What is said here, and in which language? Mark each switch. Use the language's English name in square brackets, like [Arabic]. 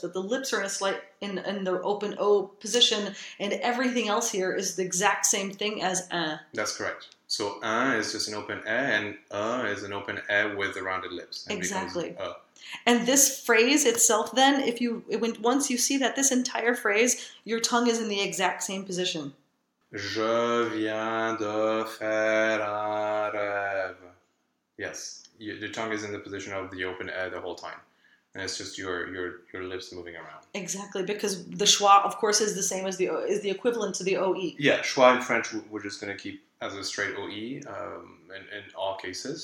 [English] That the lips are in a slight in the open O position, and everything else here is the exact same thing as un. That's correct. So un is just an open E, and E is an open E with the rounded lips. And exactly. And this phrase itself, then, once you see that this entire phrase, your tongue is in the exact same position. [French] Je viens de faire un rêve. [English] Yes, your tongue is in the position of the open air the whole time. And it's just your lips moving around. Exactly, because the schwa, of course, is the same as the is the equivalent to the OE. Yeah, schwa in French, we're just going to keep as a straight OE in all cases.